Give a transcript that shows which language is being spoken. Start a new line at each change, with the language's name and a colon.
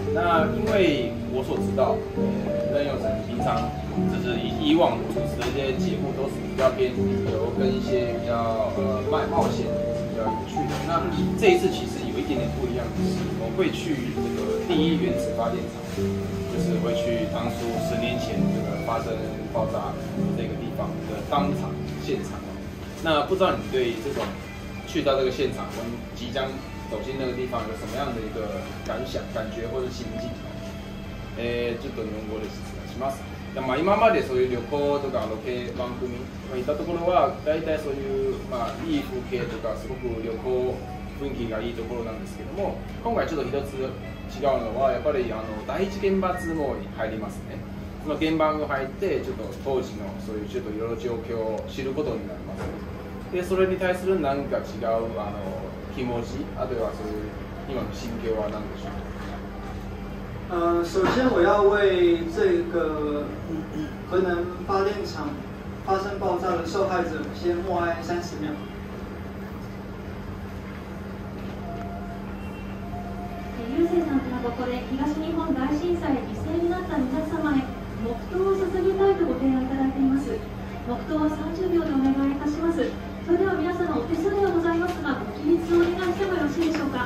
Chinese: 那因为我所知道，任佑成平常就是以往主持的一些节目都是比较偏旅游跟一些比较冒险的比较有趣的。那这一次其实有一点点不一样，就是我会去这个第一原子发电厂，就是会去当初十年前这个发生爆炸那个地方的当场现场。那不知道你对这种去到这个现场，我们即将走进那个地方，有什么样的一个感想、感觉或者心境？
Japanese: ちょっと日本語で説明します。でまあ今までそういう旅行とかロケ番組行ったところは、大体そういうまあいい風景とかすごく旅行雰囲気がいいところなんですけども、今回ちょっと一つ違うのはやっぱり第一原発も入りますね。その原発が入ってちょっと当時のそういうちょっといろいろ状況を知ることになります。でそれに対する何か違う気持ち、あとはその今の心境は何でしょう。
Chinese: 首先我要为这个核能发电厂发生爆炸的受害者先默哀30秒。
Japanese: 郵政さんからここで東日本大震災犠牲になった皆様へ黙祷を捧げたいとご提案いただいています。黙祷は30秒でお願いいたします。それでは皆様お手数ではございますがご起立をお願いしてもよろしいでしょうか。